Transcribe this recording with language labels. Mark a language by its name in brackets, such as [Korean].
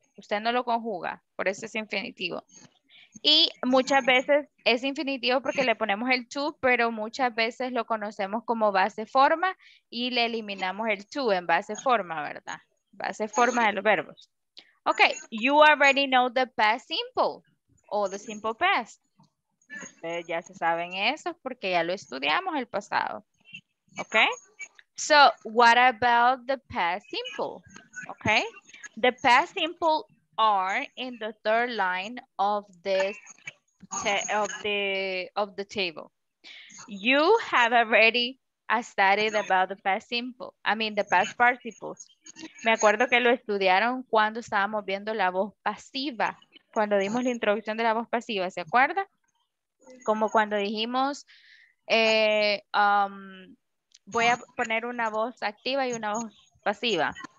[Spanish] Usted no lo conjuga, por eso es infinitivo. Y muchas veces es infinitivo porque le ponemos el to, pero muchas veces lo conocemos como base forma y le eliminamos el to en base forma, ¿verdad? Base forma de los verbos. [English] Ok, you already know the past simple o the simple past. [Spanish] Ustedes ya se saben eso porque ya lo estudiamos el pasado. [English] Ok, so what about the past simple? Ok, the past simple are in the third line of this of the table. You have already started about the past simple. I mean, the past participles. [Spanish] Me acuerdo que lo estudiaron cuando estábamos viendo la voz pasiva. Cuando dimos la introducción de la voz pasiva, ¿se acuerda? Como cuando dijimos, voy a poner una voz activa y una voz pasiva.